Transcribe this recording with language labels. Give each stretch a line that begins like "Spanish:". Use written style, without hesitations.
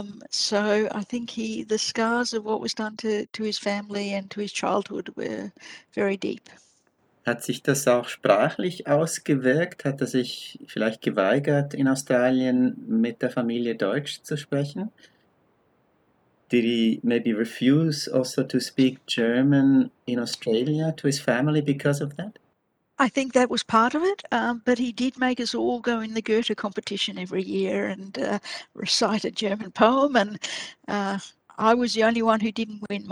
English: So I think the scars of what was done to his family and to his childhood were very deep.
German: Hat sich das auch sprachlich ausgewirkt? Hat er sich vielleicht geweigert, in Australien mit der Familie Deutsch zu sprechen?
English: Did he maybe refuse also to speak German in Australia to his family because of that? I think that was part of it, but he did make us all go in the Goethe competition every year and recite a German poem, and I was the only one who didn't win.